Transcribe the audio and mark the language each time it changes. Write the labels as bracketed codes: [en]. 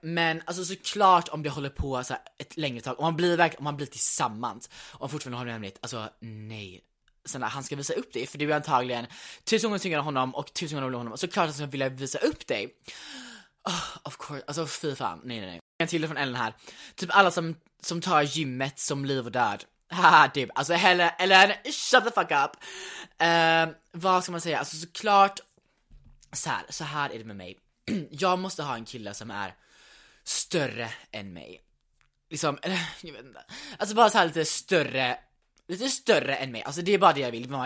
[sv] Men alltså såklart om det håller på så ett längre tag, om man blir verkligen, om man blir tillsammans och fortfarande håller hemligt, alltså nej. Sen han ska visa upp dig, för du är antagligen tusen gånger tyngre honom och tusen gånger blir honom. Såklart att han vill visa upp dig. [en] Oh, of course. [sv] Alltså fy fan. Nej, nej, nej. En till från Ellen här. Typ alla som tar gymmet som liv och död. Haha, typ. [en] Alltså Ellen, shut the fuck up. [sv] Vad ska man säga? Alltså såklart, Så här är det med mig. Jag måste ha en kille som är större än mig. Liksom, eller, jag vet inte. Alltså bara så här lite större. Lite större än mig. Alltså det är bara det jag vill.